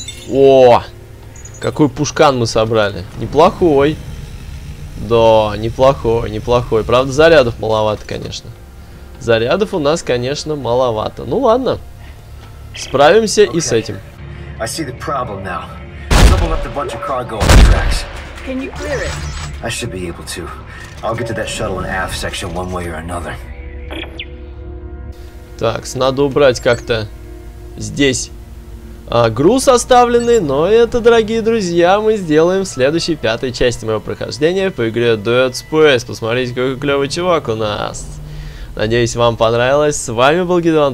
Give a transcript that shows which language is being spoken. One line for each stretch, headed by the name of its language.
Russian: О, какой пушкан мы собрали. Неплохой. Да, неплохой. Правда, зарядов маловато, конечно. Зарядов у нас, конечно, маловато. Ну ладно. Справимся и с этим.
English: I see the problem now. Someone left a bunch of cargo on the tracks. Can you clear it? I should be able to. I'll get to that shuttle in aft section one way or another.
Russian: Так, надо убрать как-то здесь груз оставленный, но это, дорогие друзья, мы сделаем в следующей пятой части моего прохождения по игре Dead Space. Посмотрите, какой клевый чувак у нас. Надеюсь, вам понравилось. С вами был Гидеон.